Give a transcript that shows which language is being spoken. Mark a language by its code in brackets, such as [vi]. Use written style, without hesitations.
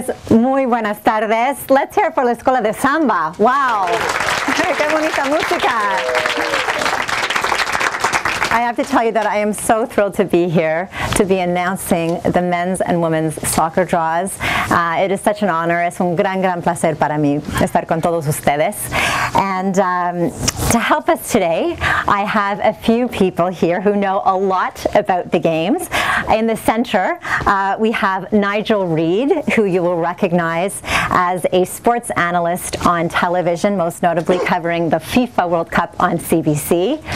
[es] Muy buenas tardes. [en] Let's hear for La Escuela de Samba. Wow. [es] Qué bonita música. [en] I have to tell you that I am so thrilled to be here to be announcing the men's and women's soccer draws. It is such an honor. [es] Es un gran, gran placer para mí estar con todos ustedes. [en] And to help us today, I have a few people here who know a lot about the games. In the center, we have Nigel Reed, who you will recognize as a sports analyst on television, most notably covering the FIFA World Cup on CBC.